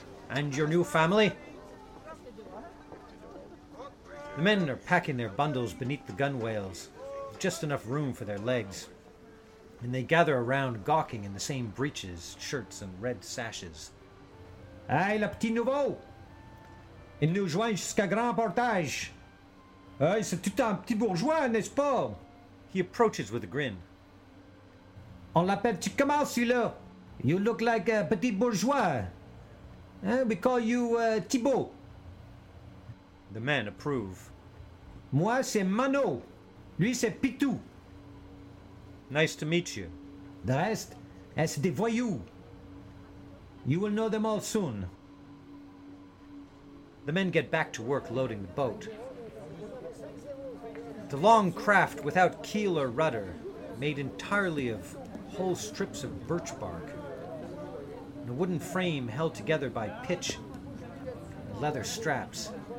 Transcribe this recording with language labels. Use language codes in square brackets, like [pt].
[en] And your new family? The men are packing their bundles beneath the gunwales, with just enough room for their legs, and they gather around gawking in the same breeches, shirts, and red sashes. [fr] Aye, le petit nouveau! Il nous joint jusqu'à Grand Portage. C'est tout un petit bourgeois, n'est-ce pas? [en] He approaches with a grin. [fr] On l'appelle petit comment, celui-là? [en] You look like a petit bourgeois. We call you Thibault. The men approve. [fr] Moi, c'est Mano. Lui, c'est Pitou. [en] Nice to meet you. The rest, [fr] c'est des voyous. [en] You will know them all soon. The men get back to work loading the boat. The long craft without keel or rudder, made entirely of whole strips of birch bark, and a wooden frame held together by pitch and leather straps.